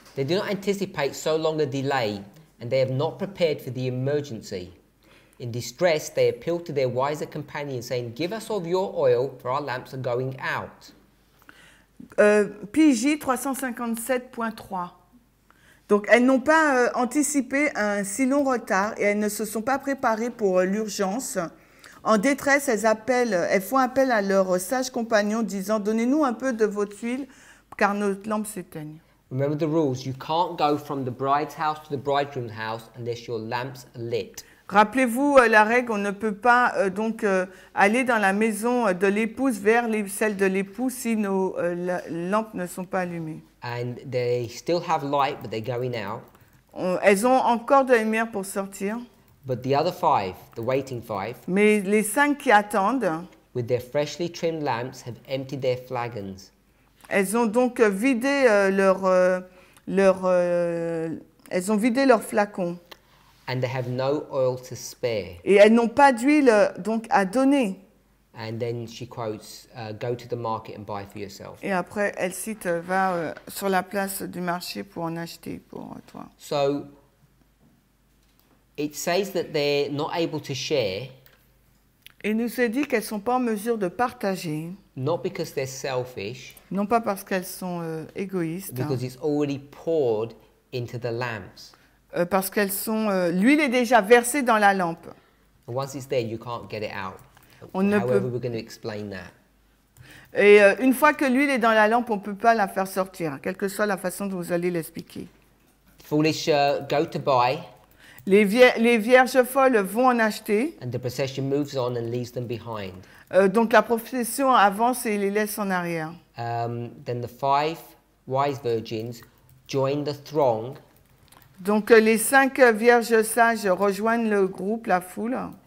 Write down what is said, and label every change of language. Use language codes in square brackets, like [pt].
[en] They do not anticipate so long a delay, and they have not prepared for the emergency. In distress, they appeal to their wiser companion, saying, "Give us of your oil, for our lamps are going out." PJ 357.3. [fr] Donc, elles n'ont pas anticipé un si long retard et elles ne se sont pas préparées pour l'urgence. En détresse, elles font appel à leur sage compagnon, disant, "Donnez-nous un peu de votre huile, car notre lampe s'éteigne." [en] Remember the rules. You can't go from the bride's house to the bridegroom's house unless your lamps are lit. [fr] Rappelez-vous la règle, on ne peut pas donc aller dans la maison de l'épouse vers celle de l'époux si nos lampes ne sont pas allumées. [en] And they still have light, but they're going out. [fr] Elles ont encore de la lumière pour sortir. [en] But the other five, the waiting five, [fr] mais les cinq qui attendent, [en] with their freshly trimmed lamps, have emptied their flagons. [fr] Elles ont donc vidé elles ont vidé leurs flacons. [en] And they have no oil to spare. [fr] Et elles n'ont pas d'huile donc à donner. [en] And then she quotes, "Go to the market and buy for yourself." [fr] Et après, elle cite, va sur la place du marché pour en acheter pour toi. [en] So it says that they're not able to share. [fr] Et nous a dit qu'elles sont pas en mesure de partager. [en] Not because they're selfish. [fr] Non pas parce qu'elles sont égoïstes. [en] Because it's already poured into the lamps. [fr] Parce qu'elles sont, l'huile est déjà versée dans la lampe. [en] Once it's there, you can't get it out. We're going to explain that. [fr] Et une fois que l'huile est dans la lampe, on peut pas la faire sortir, quelle que soit la façon dont vous allez l'expliquer. [en] Foolish, go to buy. [fr] Les vierges folles vont en acheter. [en] And the procession moves on and leaves them behind. [fr] Donc la procession avance et les laisse en arrière. [en] Then the five wise virgins join the throng. [fr] Donc les cinq vierges sages rejoignent le groupe, la foule.